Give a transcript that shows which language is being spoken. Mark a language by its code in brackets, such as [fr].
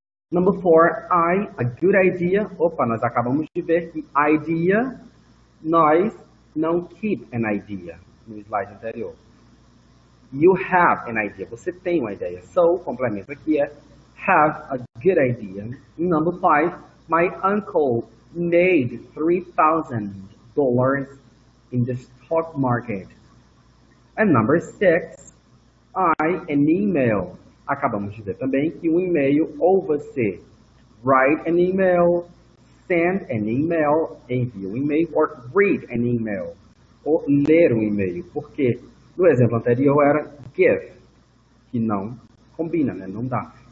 [en] Number four, I, a good idea. [pt] Opa, nós acabamos de ver que idea, nós não keep an idea no slide anterior. [en] You have an idea, [pt] você tem uma ideia. [en] So, [pt] complemento aqui é [en] have a good idea. Number five, my uncle made $3,000 in the stock market. And number six, I, an email. [pt] Acabamos de ver também que um e-mail ou você [en] write an email, send an email, [pt] envia um e-mail, [en] or read an email, [pt] ou ler um e-mail. Porque no exemplo anterior era give, que não combina, né? Não dá.